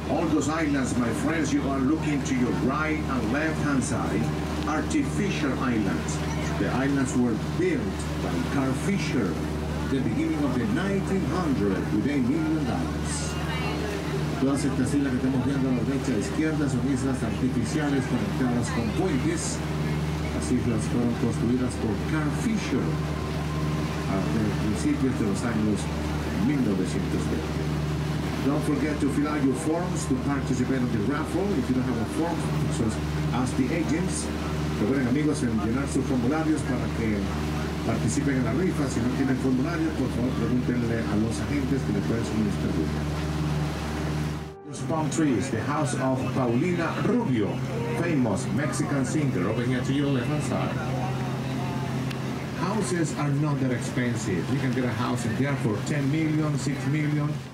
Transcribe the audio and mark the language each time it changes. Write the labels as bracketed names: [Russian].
[English] those islands, my friends, you are looking to your right and left hand side, artificial islands. The islands were built by Carl Fisher at the beginning of the 1900 with $1 million. [Spanish] Todas estas islas que estamos viendo a la derecha e izquierda son islas artificiales conectadas con puentes. Las islas fueron construidas por Carl Fisher a principios de los años 1920. [English] Don't forget to fill out your forms to participate in the raffle. If you don't have a form, just ask the agents. [Spanish] Recuerden, amigos, en llenar sus formularios para que participen en la rifa. Si no tienen formularios, por favor, pregúntenle a los agentes que les pueden suministrar. [English] Palm Trees, the house of Paulina Rubio, famous Mexican singer. Open here to your left hand side. Houses are not that expensive. You can get a house in there for $10 million, $6 million.